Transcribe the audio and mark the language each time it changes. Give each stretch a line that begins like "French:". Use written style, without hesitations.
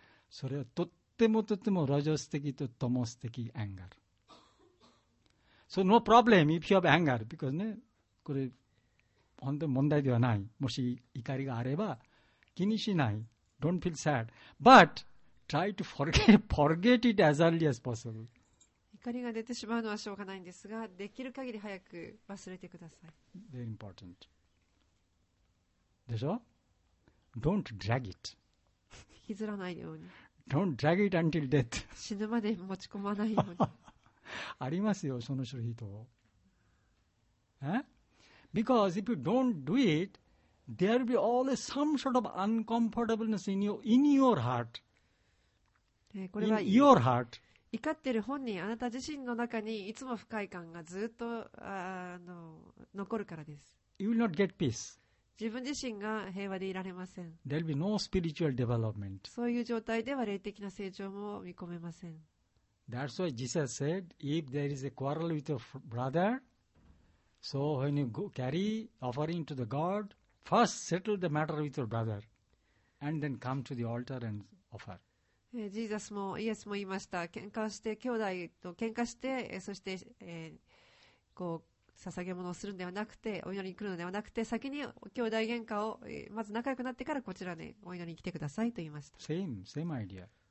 Japanese: それはとってもとってもラジャス的とタマス的
English: anger. So no problem if you have anger, because
Japanese: ね、これ本当に問題ではない。もし怒りがあれば気にしない。
English: Don't feel sad. But,Try to forget it as early as possible.
Japanese: 怒りが出てしまうのはしょうがないんですが、できる限り早く忘れてください。
English: Very important.
Japanese: でしょ?
English: Don't drag it.
Japanese: 引きずらないように。
English: Don't drag it until death.
Japanese: 死ぬまで持ち込まないように。ありますよ、その人。
English: Because if you don't do it, there will be always some sort of uncomfortableness in your heart.
Japanese: これは
English: in your heart.
Japanese: 怒ってる本人、あなた自身の中にいつも不快感がずっと残るからです。
English: You will not get peace.
Japanese: 自分自身が平和でいられません。
English: There will be no spiritual development.
Japanese: そういう状態では霊的な成長も見込めません。
English: That's why Jesus said, if there is a quarrel with your brother, so when you carry offering to the God, first settle the matter with your brother, and then come to the altar and offer.
Japanese: ジーザスもイエスも言いました。喧嘩して、兄弟と喧嘩して、そして、こう、捧げ物をするのではなくて、お祈りに来るのではなくて、先に兄弟喧嘩を、まず仲良くなってからこちらでお祈りに来てくださいと言いました。
English: Same idea.